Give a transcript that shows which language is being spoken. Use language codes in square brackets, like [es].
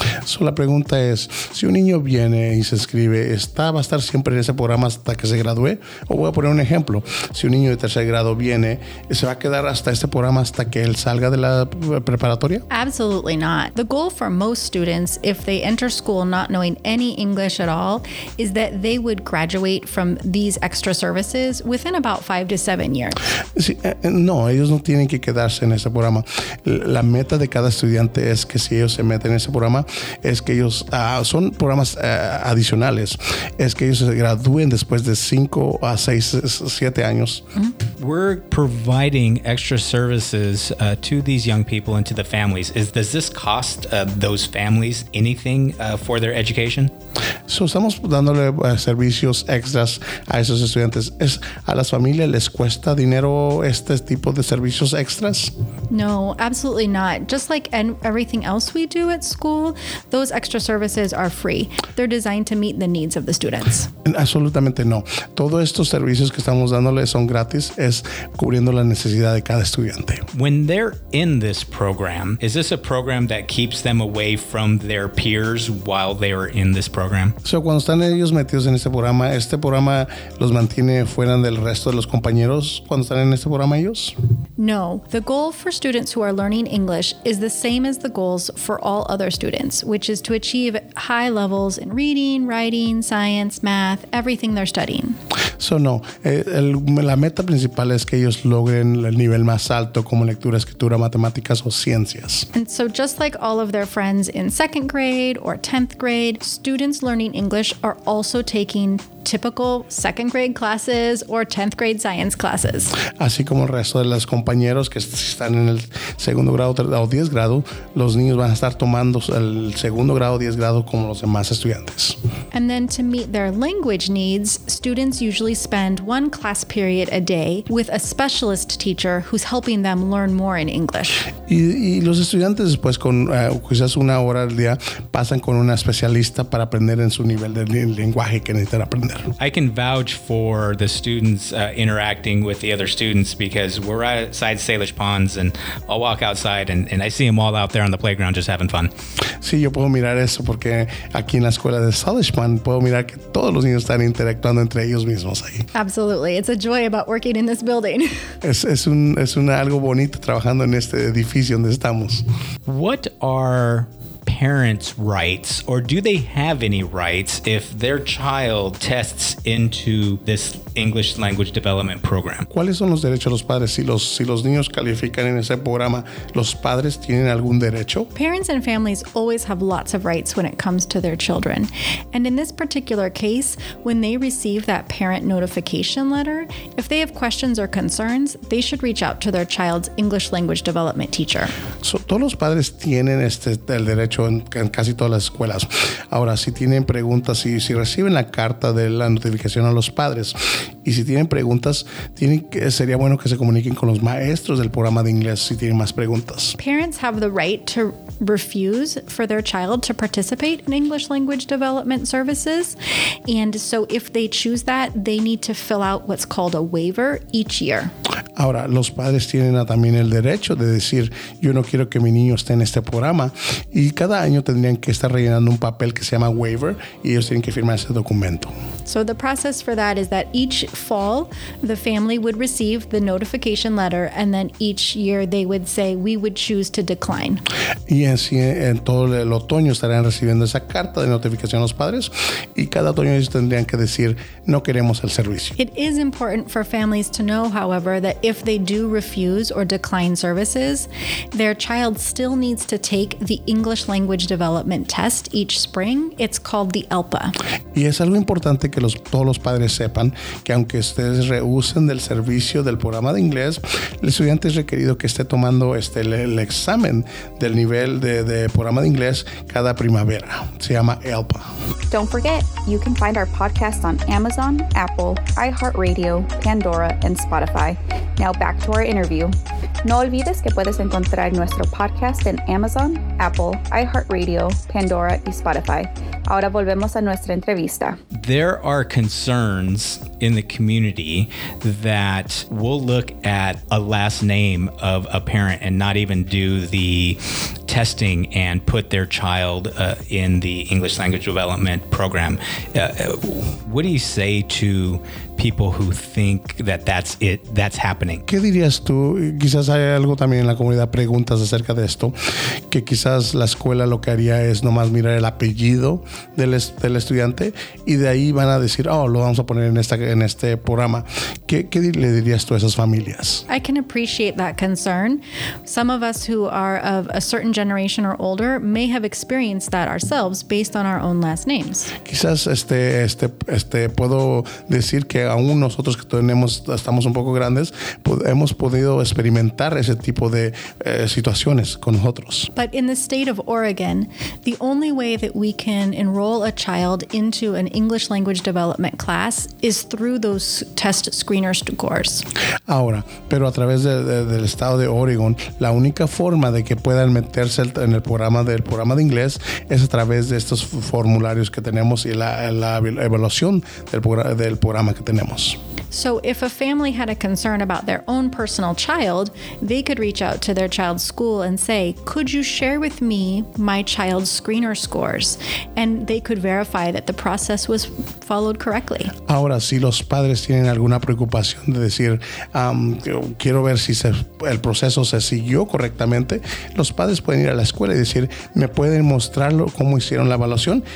[es] So la pregunta es, si un niño viene y se escribe, ¿está va a estar siempre en ese programa hasta que se gradúe? O voy a poner un ejemplo. Si un niño de tercer grado viene, ¿se va a quedar hasta este programa hasta que él salga de la preparatoria? [en] Absolutely not. The goal for most students, if they enter school not knowing any English at all, is that they would graduate from these extra services within about 5 to 7 years. [es] Sí, no, ellos no tienen que quedarse en ese programa. La meta de cada estudiante es que si ellos se meten en ese programa, es que ellos son programas adicionales, es que ellos se gradúen después de 5 a 6, 7 años. Mm-hmm. [en] We're providing extra services to these young people and to the families. Does this cost those families anything for their education? [es] So estamos dándole servicios extras a esos estudiantes. ¿Es a las familias les cuesta dinero este tipo de servicios extras? [en] No, absolutely not. Just like everything else we do at school, those extra services are free. They're designed to meet the needs of the students. [es] Absolutamente no. Todos estos servicios que estamos dándoles son gratis, es cubriendo la necesidad de cada estudiante. [en] When they're in this program, is this a program that keeps them away from their peers while they are in this program? [es] So cuando están ellos metidos en este programa los mantiene fuera del resto de los compañeros cuando están en este programa ellos? [en] No. The goal for students who are learning English is the same as the goals for all other students, which is to achieve high levels in reading, writing, science, math, everything they're studying. [es] So no, la meta principal es que ellos logren el nivel más alto como lectura, escritura, matemáticas o ciencias. [en] And so just like all of their friends in second grade or 10th grade, students learning English are also taking typical second grade classes or 10th grade science classes. [es] Así como el resto de los compañeros que están en el segundo grado o 10 grado, los niños van a estar tomando el segundo grado o 10 grado como los demás estudiantes. [en] And then to meet their language needs, students usually spend one class period a day with a specialist teacher who's helping them learn more in English. [es] Y los estudiantes después con quizás una hora al día pasan con una especialista para aprender en su nivel del lenguaje que necesitan aprender. [en] I can vouch for the students interacting with the other students because we're outside Salish Ponds and I'll walk outside and I see them all out there on the playground just having fun. [es] Sí, yo puedo mirar eso porque aquí en la escuela de Salish Pond puedo mirar que todos los niños están interactuando entre ellos mismos ahí. [en] Absolutely. It's a joy about working in this building. [es] Es un algo bonito trabajando en este edificio donde estamos. [en] What are parents' rights, or do they have any rights if their child tests into this English language development program? [es] ¿Cuáles son los derechos de los padres si los niños califican en ese programa? ¿Los padres tienen algún derecho? [en] Parents and families always have lots of rights when it comes to their children. And in this particular case, when they receive that parent notification letter, if they have questions or concerns, they should reach out to their child's English language development teacher. [es] So, todos los padres tienen el derecho en casi todas las escuelas. Ahora, si tienen preguntas, si reciben la carta de la notificación a los padres y si tienen preguntas, sería bueno que se comuniquen con los maestros del programa de inglés si tienen más preguntas. [en] Parents have the right to refuse for their child to participate in English language development services. And so if they choose that, they need to fill out what's called a waiver each year. [es] Ahora, los padres tienen también el derecho de decir, yo no quiero que mi niño esté en este programa. Y cada año tendrían que estar rellenando un papel que se llama waiver y ellos tienen que firmar ese documento. [en] So the process for that is that each fall, the family would receive the notification letter and then each year they would say, we would choose to decline. [es] Y así en todo el otoño estarían recibiendo esa carta de notificación a los padres y cada otoño ellos tendrían que decir, no queremos el servicio. [en] It is important for families to know, however, that if they do refuse or decline services, their child still needs to take the English language development test each spring. It's called the ELPA. [es] Y es algo importante que que todos los padres sepan que aunque ustedes rehúsen del servicio del programa de inglés, el estudiante es requerido que esté tomando el examen del nivel de programa de inglés cada primavera. Se llama ELPA. [en] Don't forget, you can find our podcast on Amazon, Apple, iHeartRadio, Pandora, and Spotify. Now back to our interview. [es] No olvides que puedes encontrar nuestro podcast en Amazon, Apple, iHeartRadio, Pandora, y Spotify. Ahora volvemos a nuestra entrevista. [en] There are concerns in the community that we'll look at a last name of a parent and not even do the testing and put their child in the English language development program. What do you say to people who think that that's it, that's happening? [es] ¿Qué dirías tú? Quizás hay algo también en la comunidad, preguntas acerca de esto, que quizás la escuela lo que haría es nomás mirar el apellido del estudiante y de ahí van a decir, oh, lo vamos a poner en este programa. ¿Qué le dirías tú a esas familias? [en] I can appreciate that concern. Some of us who are of a certain generation or older may have experienced that ourselves based on our own last names. [es] Quizás puedo decir que aún nosotros que tenemos, estamos un poco grandes, hemos podido experimentar ese tipo de situaciones con nosotros. [en] But in the state of Oregon, the only way that we can enroll a child into an English language development class is through those test screener scores. [es] Ahora, pero a través del estado de Oregon, la única forma de que puedan meterse en el programa del programa de inglés es a través de estos formularios que tenemos y la evaluación del programa que tenemos. [en] So if a family had a concern about their own personal child, they could reach out to their child's school and say, could you share with me my child's screener scores? And they could verify that the process was followed correctly. [es] Ahora, si los padres tienen alguna preocupación de decir, quiero ver si el proceso se siguió correctamente, los padres pueden ir a la escuela y decir, ¿me pueden mostrar cómo hicieron la evaluación?